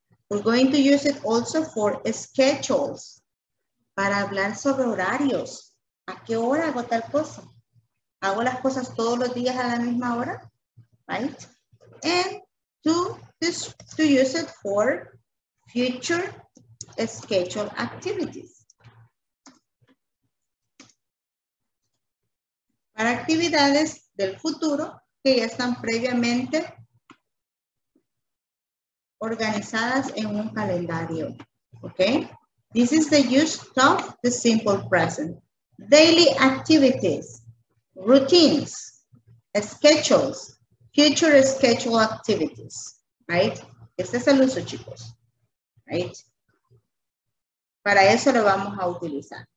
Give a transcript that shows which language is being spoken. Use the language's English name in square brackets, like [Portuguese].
[English] We're going to use it also for schedules. [Spanish] Para hablar sobre horarios. ¿A qué hora hago tal cosa? ¿Hago las cosas todos los días a la misma hora? [English] Right? And to use it for future schedule activities. [Spanish] Para actividades del futuro que ya están previamente organizadas en un calendario. [English] Okay? This is the use of the simple present. Daily activities, routines, schedules, future schedule activities, right? [Spanish] Este es el uso, chicos, right? Para eso lo vamos a utilizar.